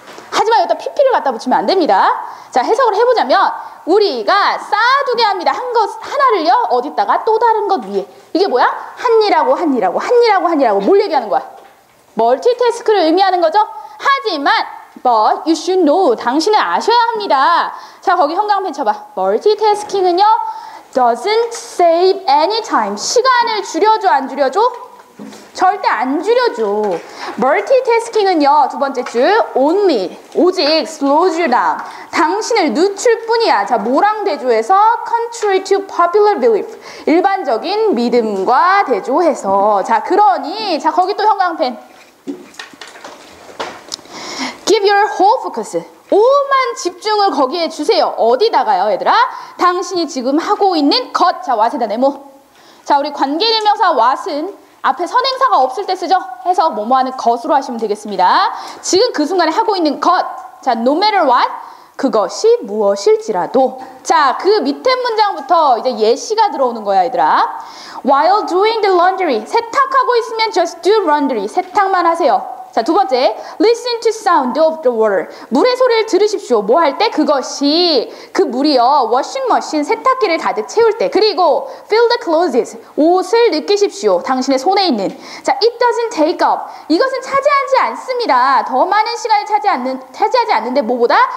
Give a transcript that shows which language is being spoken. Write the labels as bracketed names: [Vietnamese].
[Korean] 하지만 여기다 pp를 갖다 붙이면 안 됩니다. 자 해석을 해보자면 우리가 쌓아두게 합니다. 한 것 하나를요 어디다가 또 다른 것 위에. 이게 뭐야? 한 일하고 뭘 얘기하는 거야? 멀티태스크를 의미하는 거죠? 하지만 [English] but you should know [Korean] 당신은 아셔야 합니다. 자 거기 형광펜 쳐봐. 멀티태스킹은요 [English] doesn't save any time. [Korean] 시간을 줄여줘 안 줄여줘? 절대 안 줄여줘. 멀티태스킹은요 두 번째 줄 only 오직 [English] slows you down [Korean] 당신을 늦출 뿐이야. 자 뭐랑 대조해서 [English] contrary to popular belief [Korean] 일반적인 믿음과 대조해서. 자 그러니 자 거기 또 형광펜 [English] Give your whole focus. [Korean] 오만 집중을 거기에 주세요. 어디다가요 얘들아? 당신이 지금 하고 있는 것. 자 what에다 네모. 자 우리 관계대명사 what은 앞에 선행사가 없을 때 쓰죠. 해서 뭐뭐하는 것으로 하시면 되겠습니다. 지금 그 순간에 하고 있는 것. 자 [English] no matter what [Korean] 그것이 무엇일지라도. 자 그 밑에 문장부터 이제 예시가 들어오는 거야 얘들아. [English] While doing the laundry. [Korean] 세탁하고 있으면 [English] just do laundry. [Korean] 세탁만 하세요. 자, 두 번째, [English] listen to sound of the water. [Korean] 물의 소리를 들으십시오. 뭐 할 때? 그것이 그 물이요. washing machine, 세탁기를 가득 채울 때. 그리고 [English] feel the clothes, [Korean] 옷을 느끼십시오. 당신의 손에 있는. 자, [English] it doesn't take up. [Korean] 이것은 차지하지 않습니다. 더 많은 시간을 차지하지 않는데 뭐보다?